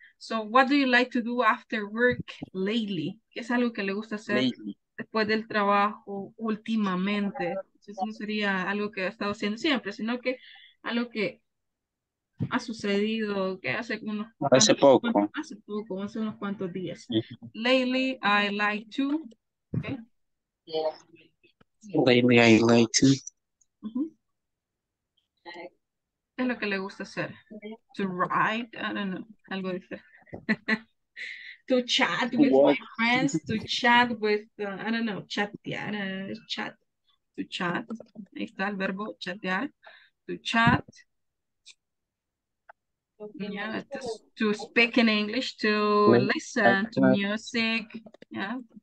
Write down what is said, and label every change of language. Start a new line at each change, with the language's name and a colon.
English: So, what do you like to do after work lately?
Spanish: ¿Qué es algo que le gusta hacer después del trabajo últimamente? Eso no sería algo que ha estado haciendo siempre, sino que algo que ha sucedido, que hace unos hace unos cuantos días.
English: Lately, I like to. Okay. Lately, I like to.
Spanish: Uh-huh. Es lo que le gusta hacer.
English: To write, I don't know,
Spanish: algo diferente.
English: To chat with my friends, to chat with, I don't know, chatear, chat. To chat.
Spanish: Ahí está el verbo chatear.
English: To chat. Yeah, to speak in English, to listen to music, yeah.